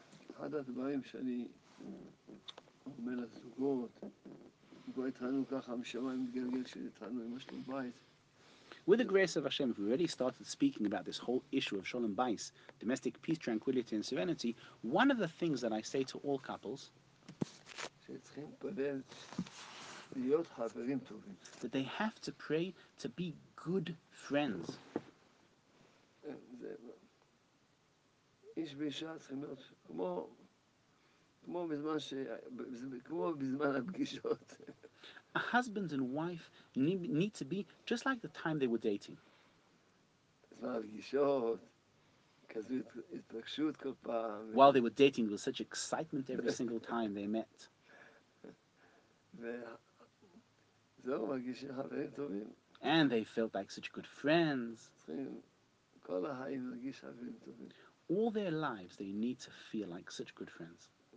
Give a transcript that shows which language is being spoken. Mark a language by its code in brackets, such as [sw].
[he] אחד הדברים שאני אומר לזוגות, כבר התחלנו ככה, משמיים מתגלגל שהתחלנו עם השלום בית. [en] With the grace of Hashem, if we already started speaking about this whole issue of Sholem Bais, domestic peace, tranquility, and serenity, one of the things that I say to all couples, [he] שצריכים להתפלל להיות חברים טובים. [en] That they have to pray to be good friends. [he] איש ואישה צריכים להיות כמו בזמן הפגישות. [en] A husband and wife need to be just like the time they were dating. [he] בזמן הפגישות, כזו התרגשות כל פעם. [en] While they were dating, there was such excitement every single time they met. [he] וזהו, מרגישים חברים טובים. [en] And they felt like such good friends. [he] צריכים כל החיים להרגיש חברים טובים. [en] All their lives, they need to feel like such good friends.